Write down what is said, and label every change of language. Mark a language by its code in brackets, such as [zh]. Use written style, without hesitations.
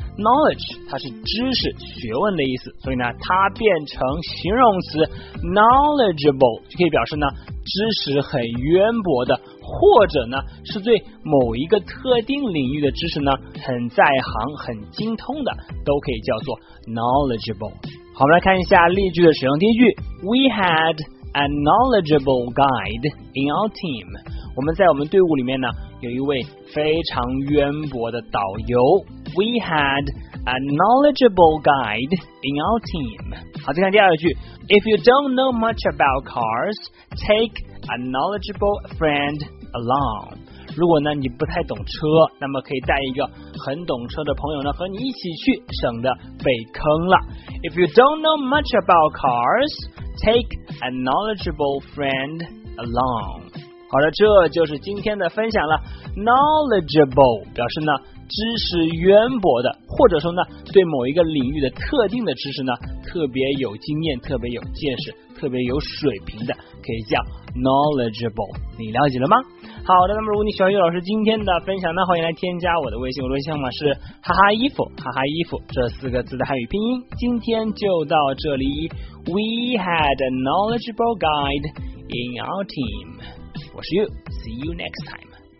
[zh] knowledge 它是知识学问的意思，所以呢它变成形容词 knowledgeable 就可以表示呢知识很渊博的，或者呢是对某一个特定领域的知识呢很在行很精通的，都可以叫做 knowledgeable。好，我们来看一下例句的使用。第一句， [en] We had a knowledgeable guide in our team。 [zh] 我们在我们队伍里面呢有一位非常渊博的导游。 [en] We had a knowledgeable guide in our team。 [zh] 好，再看第二句， [en] If you don't know much about cars, take a knowledgeable friend along。 [zh] 如果呢你不太懂车，那么可以带一个很懂车的朋友呢和你一起去，省得被坑了。 [en] If you don't know much about cars, take a knowledgeable friend along。 [zh] 好的，这就是今天的分享了。 knowledgeable 表示呢知识渊博的，或者说呢对某一个领域的特定的知识呢特别有经验，特别有见识，特别有水平的，可以叫 knowledgeable。你了解了吗？好的，那么如果你喜欢悠老师今天的分享呢，欢迎来添加我的微信，我的微信号码是哈哈衣服，哈哈衣服这四个字的汉语拼音。今天就到这里， [en] We had a knowledgeable guide in our team。 [zh] 我是 [en] you, see you next time.